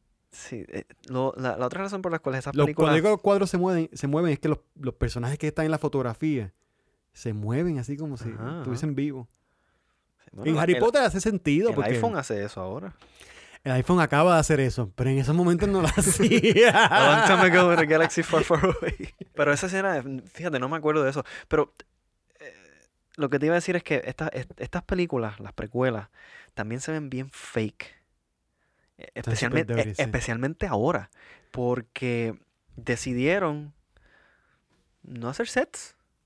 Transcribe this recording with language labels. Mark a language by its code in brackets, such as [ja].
[es] Sí, la otra razón por la cual esas películas. Cuando digo los cuadros se mueven es que los personajes que están en la fotografía se mueven así como si estuviesen vivos. Bueno, en Harry Potter hace sentido. El porque iPhone hace eso ahora. El iPhone acaba de hacer eso, pero en esos momentos no lo hacía. [en] A long time ago with a galaxy far, far away. [es] Pero esa escena, fíjate, no me acuerdo de eso. Pero lo que te iba a decir es que estas películas, las precuelas, también se ven bien fake. Especialmente ahora. Porque decidieron no hacer sets.